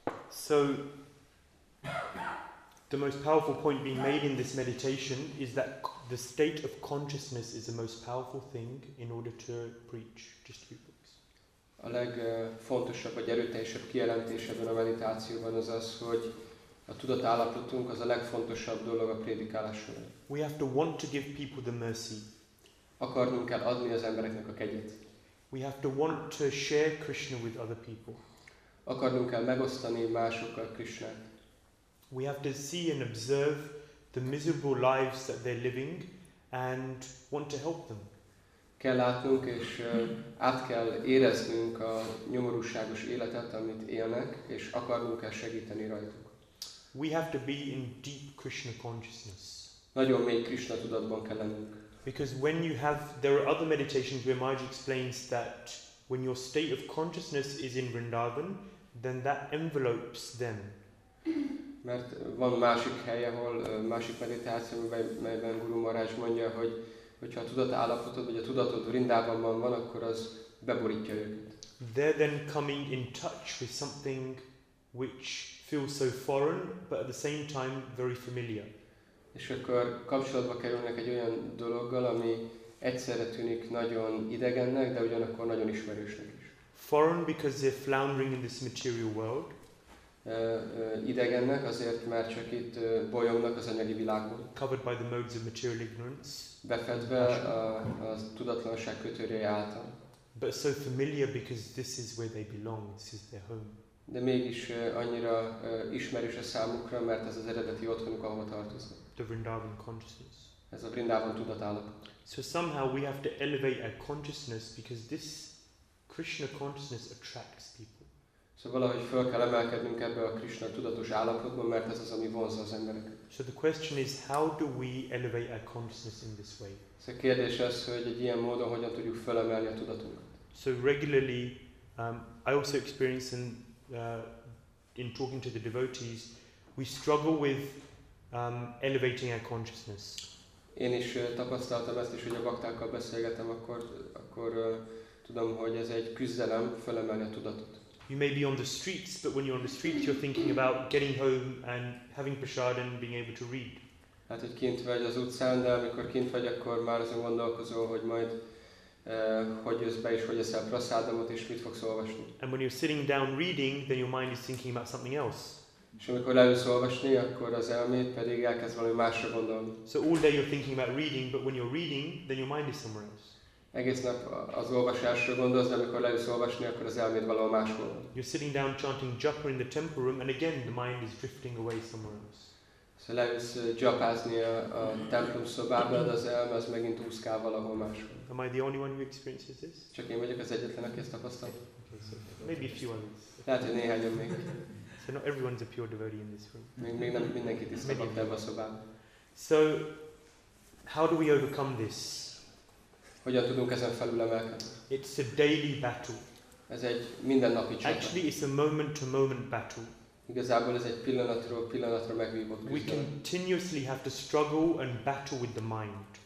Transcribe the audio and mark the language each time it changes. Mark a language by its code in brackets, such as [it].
[en] So, the most powerful point being made in this meditation is that the state of consciousness is the most powerful thing in order to preach, distribute books. [hu] A legfontosabb, vagy erőteljesebb kijelentés ebben a meditációban az az, hogy a tudatállapotunk az a legfontosabb dolog a prédikálás során. [en] We have to want to give people the mercy. [hu] Akarnunk kell adni az embereknek a kegyet. [en] We have to want to share Krishna with other people. [hu] Akarnunk kell megosztani másokkal Krishnát. [en] We have to see and observe the miserable lives that they're living and want to help them. [hu] Kell látnunk és át kell éreznünk a nyomorúságos életet, amit élnek, és akarnunk kell segíteni rajtuk. [en] We have to be in deep Krishna consciousness. [hu] Nagyon mély Krishna tudatban kell lennünk. [en] Because when you have, there are other meditations where Maharaj explains that when your state of consciousness is in Vrindavan, then that envelopes them. [hu] Mert van másik hely, ahol másik meditáció, melyben Guru Maharaj mondja, hogy hogyha a tudatállapotod, vagy a tudatod Vrindavanban van, akkor az beborítja őket. [en] They're then coming in touch with something which feels so foreign, but at the same time very familiar. [hu] És akkor kapcsolatba kerülnek egy olyan dologgal, ami egyszerre tűnik nagyon idegennek, de ugyanakkor nagyon ismerősnek is. [en] Foreign because they're floundering in this material world. [hu] Idegennek azért, mert csak itt bolyognak az anyagi világban. [en] Covered by the modes of material ignorance. [hu] Befedve a tudatlanság kötőrei által. [en] But so familiar because this is where they belong, this is their home. [hu] De mégis annyira ismerős a számukra, mert ez az eredeti otthonuk, ahova tartoznak. [en] The Vrindavan consciousness. [hu] Ez a Vrindavan tudatállapot. [en] So somehow we have to elevate our consciousness because this Krishna consciousness attracts people. [hu] So valahogy fel kell emelkednünk ebbe a Krishna tudatos állapotba, mert ez az, ami vonzza az embereket. [en] So the question is, how do we elevate our consciousness in this way? [hu] So a kérdés az, hogy egy ilyen módon hogyan tudjuk felemelni a tudatunkat. [en] So regularly, I also experience in talking to the devotees, we struggle with elevating our consciousness. [hu] Én is tapasztaltam ezt is, hogy a baktákkal beszélgetem, akkor tudom, hogy ez egy küzdelem felemelni a tudatot. [en] You may be on the streets, but when you're on the streets, you're thinking about getting home and having prasad and being able to read. [hu] Hát, hogy kint vagy az utcán, de amikor kint vagy, akkor már azon gondolkozol, hogy majd hogy jössz be és hogy eszel prasádamot és mit fogsz olvasni. [en] And when you're sitting down reading, then your mind is thinking about something else. [hu] És amikor leülsz olvasni, akkor az elméd pedig elkezd valami másra gondolni. [en] So all day you're thinking about reading, but when you're reading, then your mind is somewhere else. [hu] Egész nap az olvasásra gondolsz, de amikor leülsz olvasni, akkor az elméd valahol máshol. [en] You're sitting down chanting japa in the temple room, and again the mind is drifting away somewhere else. [hu] Szóval leülsz japázni a templom szobába, de az elme az megint úszkál valahol máshol. [en] Am I the only one who experiences this? [hu] Csak én vagyok az egyetlen, aki ezt tapasztalt. [en] Maybe a few others. [hu] Lehet, hogy néhányan még. [en] So not everyone's a pure devotee in this room. [hu] Még nem mindenki tisztelt ebben a szobában. [en] So, how do we overcome this? [hu] Hogyan tudunk ezen felül emelkedni? [en] It's a daily battle. [hu] Ez egy mindennapi csata. [en] Actually, it's a moment-to-moment battle. [hu] Igazából ez egy pillanatról pillanatra megvívott küzdelem. [en] We continuously have to struggle and battle with the mind.